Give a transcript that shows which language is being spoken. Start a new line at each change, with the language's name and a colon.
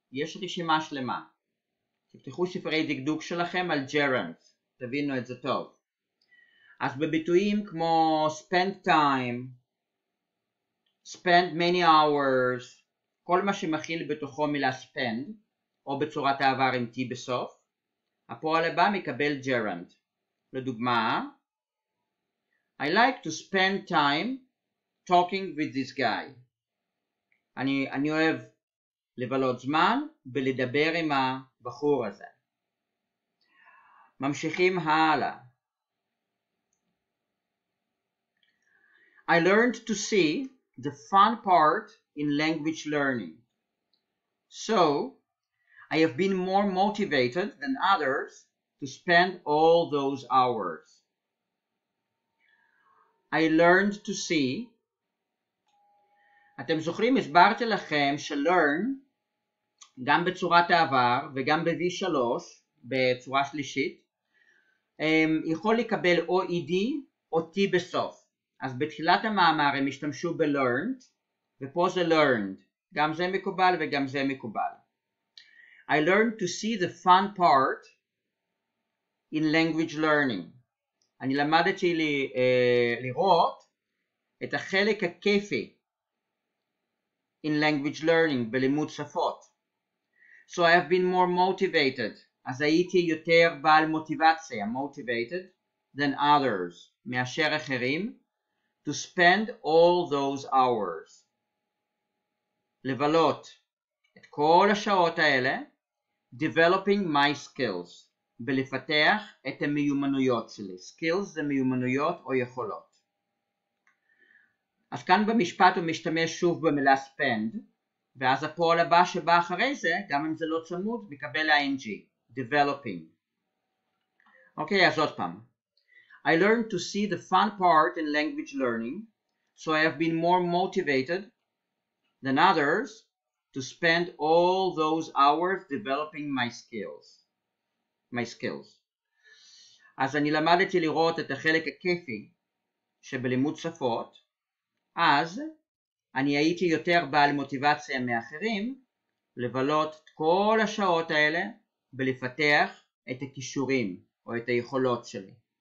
Hebrew: יש רשימה שלמה. תפתחו ספרי דקדוק שלכם על gerund, תבינו את זה טוב. אז בביטויים כמו spent time, spend many hours, כל מה שמכיל בתוכו מילה spend, או בצורת העבר עם T בסוף, הפועל הבא מקבל gerund. לדוגמה,
English: I like to spend time talking with this guy.
Hebrew: אני אוהב לבלות זמן ולדבר עם הבחור הזה. ממשיכים הלאה.
English: I learned to see the fun part in language learning. So, I have been more motivated than others to spend all those hours. I learned to see.
Hebrew: אתם זוכרים, הסברתי לכם שלearn, גם בצורת העבר וגם ב-V3, בצורה שלישית, יכול לקבל או ED או T בסוף. אז בתחילת המאמר הם השתמשו ב-learned, ופה זה learned. גם זה מקובל וגם זה מקובל.
English: I learned to see the fun part in language learning.
Hebrew: אני למדתי לראות את החלק הכיפי
English: in language learning,
Hebrew: בלימוד שפות.
English: So I have been more motivated.
Hebrew: אז הייתי יותר בעל מוטיבציה,
English: motivated, than others,
Hebrew: מאשר אחרים.
English: To spend all those hours.
Hebrew: לבלות את כל השעות האלה,
English: developing my skills,
Hebrew: בלפתח את המיומנויות שלי. Skills זה מיומנויות או יכולות. אז כאן במשפט הוא משתמש שוב במילה spend, ואז הפועל הבא שבא אחרי זה, גם אם זה לא צמוד, מקבל ה-ing, developing. אוקיי, אז עוד פעם.
English: I learned to see the fun part in language learning, so I have been more motivated than others to spend all those hours developing my skills. my skills.
Hebrew: אז אני למדתי לראות את החלק הכיפי שבלימוד שפות, אז אני הייתי יותר בעל מוטיבציה מאחרים לבלות את כל השעות האלה ולפתח את הכישורים או את היכולות שלי.